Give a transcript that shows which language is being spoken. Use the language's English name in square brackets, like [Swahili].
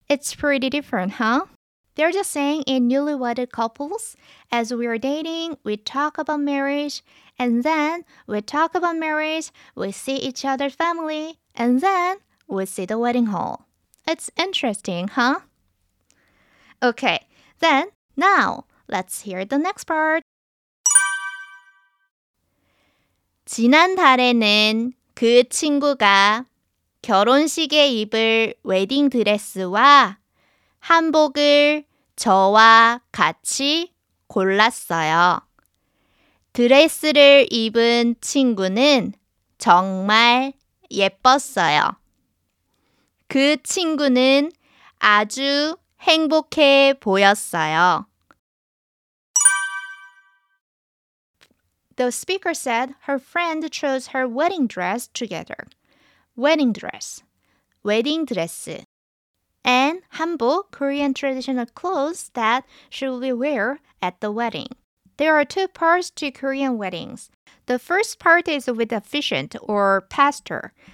[English] It's pretty different, huh? There's a saying in newlywed couples, as we are dating, we talk about marriage, and then we talk about marriage, we see each other's family, and then we see the wedding hall. It's interesting, huh? Okay, then now let's hear the next part. [Korean] 지난 달에는 그 친구가 결혼식에 입을 웨딩 드레스와 한복을 저와 같이 골랐어요. 드레스를 입은 친구는 정말 예뻤어요. 그 친구는 아주 행복해 보였어요. [English] The speaker said her friend chose her wedding dress together. Wedding dress. Wedding dress. And hanbok, Korean traditional clothes that she will wear at the wedding. There are two parts to Korean weddings. The first part is with the officiant or pastor.